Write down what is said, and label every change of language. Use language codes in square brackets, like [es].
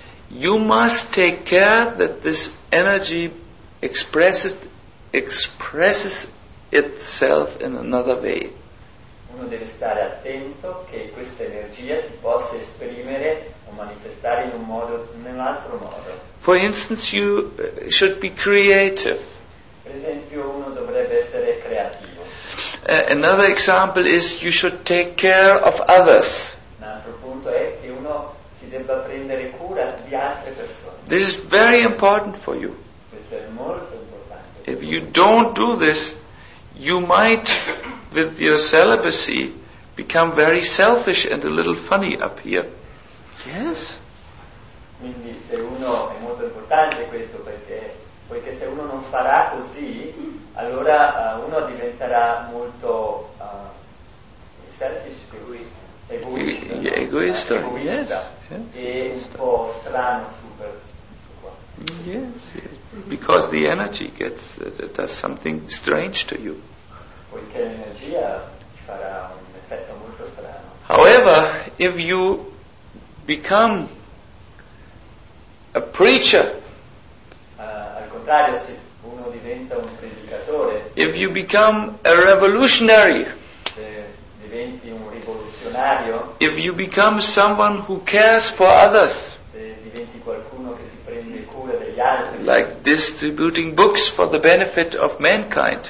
[en] you must take care that this energy expresses itself in another way. [it] Uno deve stare attento che questa energia si possa esprimere o manifestare in un modo in un altro modo. [en] For instance, you should be creative. [it] Per esempio, uno dovrebbe essere creativo. [en] Another example is you should take care of others. [it] Un altro punto è che uno si debba prendere cura di altre persone. [en] This is very important for you. [it] Questo è molto importante. [en] If you don't do this, you might, with your celibacy, become very selfish and a little funny up here. Yes? [it] Quindi se uno, è molto importante questo, perché se uno non farà così, allora uno diventerà molto selfish, egoista. [en] Yes. [it] E un po' strano, super. [en] Yes, because the energy gets does something strange to you. [it] Poiché l'energia farà un effetto molto strano. [en] However, if you become a preacher, [it] al contrario, se uno diventa un predicatore, [en] if you become a revolutionary, [it] se diventi un rivoluzionario, [en] if you become someone who cares for others, [it] se diventi qualcuno che si prende cura degli altri, [en] like distributing books for the benefit of mankind,